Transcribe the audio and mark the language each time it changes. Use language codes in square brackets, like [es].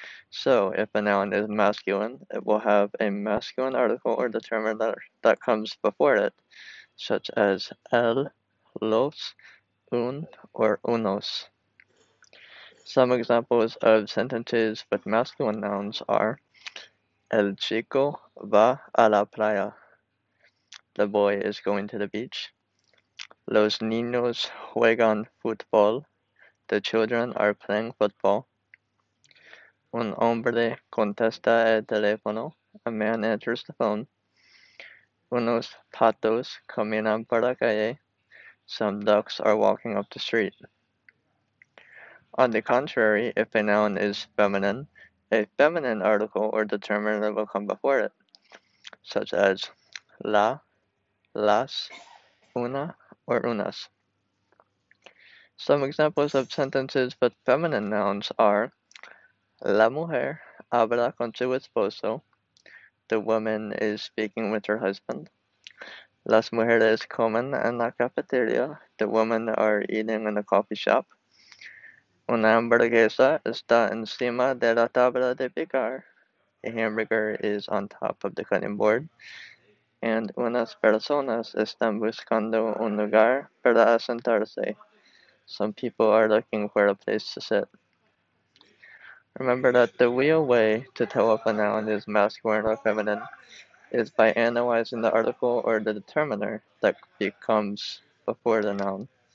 [en] So, if a noun is masculine, it will have a masculine article or determiner that comes before it, such as el, los, un, or unos. Some examples of sentences with masculine nouns are: [es] El chico va a la playa. [en] The boy is going to the beach. [es] Los niños juegan fútbol. [en] The children are playing football. [es] Un hombre contesta el teléfono. [en] A man answers the phone. [es] Unos patos caminan por la calle. [en] Some ducks are walking up the street. On the contrary, if a noun is feminine, a feminine article or determiner will come before it, such as la, las, una, or unas. Some examples of sentences with feminine nouns are: [es] La mujer habla con su esposo. [en] The woman is speaking with her husband. [es] Las mujeres comen en la cafeteria. [en] The women are eating in the coffee shop. [es] Una hamburguesa está encima de la tabla de picar. [en] A hamburger is on top of the cutting board. [es] And unas personas están buscando un lugar para asentarse. [en] Some people are looking for a place to sit. Remember that the real way to tell if a noun is masculine or feminine is by analyzing the article or the determiner that becomes before the noun.